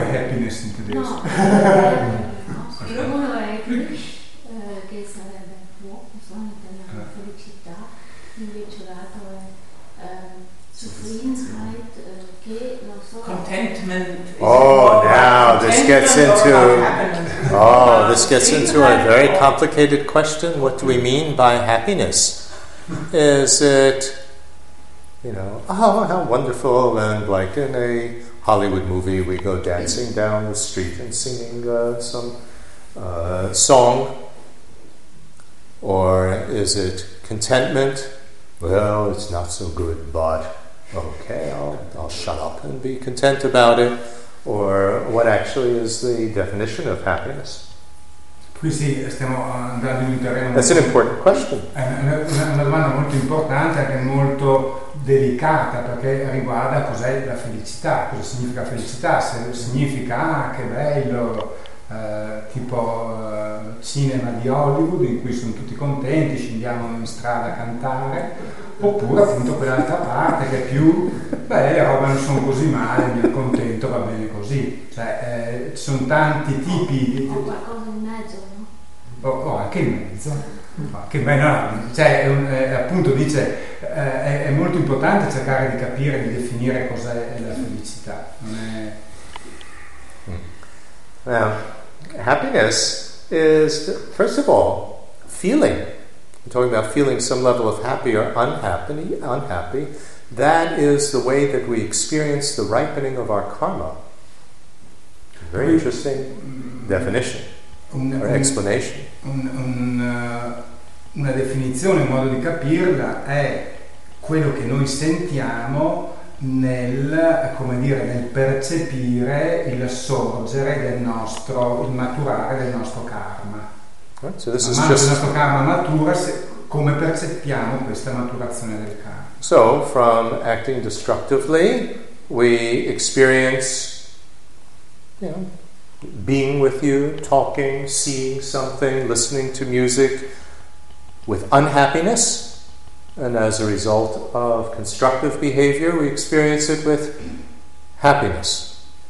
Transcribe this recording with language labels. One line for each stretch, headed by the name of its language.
Italian: happiness in tedesco. No, uno è Glück, che sarebbe la felicità, invece l'altro è Zufriedenheit, che non so.
English: Contentment. Oh, now this gets into. Oh, this gets into a very complicated question. What do we mean by happiness? Is it, you know, oh, how wonderful, and like in a Hollywood movie, we go dancing down the street and singing some song? Or is it contentment? Well, it's not so good, but okay, I'll shut up and be content about it. Or what actually is the definition of happiness?
Italian: Qui sì, stiamo andando in un terreno.
English: That's an important question.
Italian: Una domanda molto importante, anche molto delicata, perché riguarda cos'è la felicità, cosa significa felicità, se significa che bello, tipo cinema di Hollywood in cui sono tutti contenti, scendiamo in strada a cantare, oppure appunto quell'altra parte che è più, beh, le robe non sono così male, mi accontento, va bene così, cioè ci sono tanti tipi di... o qualcosa in mezzo, no? O anche in mezzo, che bello, cioè appunto dice è molto importante cercare di capire, di definire cos'è la felicità, non è...
English: Happiness is, first of all, feeling. I'm talking about feeling some level of happy or unhappy. That is the way that we experience the ripening of our karma. Very interesting definition or explanation.
Italian: Una definizione, un modo di capirla, è quello che noi sentiamo nel, come dire, nel percepire il sorgere del nostro, il maturare del nostro karma.
English: So this man is just...
Italian: il nostro karma matura, come percepiamo questa maturazione del karma?
English: So, from acting destructively, we experience, you know, being with you, talking, seeing something, listening to music with unhappiness. And as a result of constructive behavior, we experience it with happiness.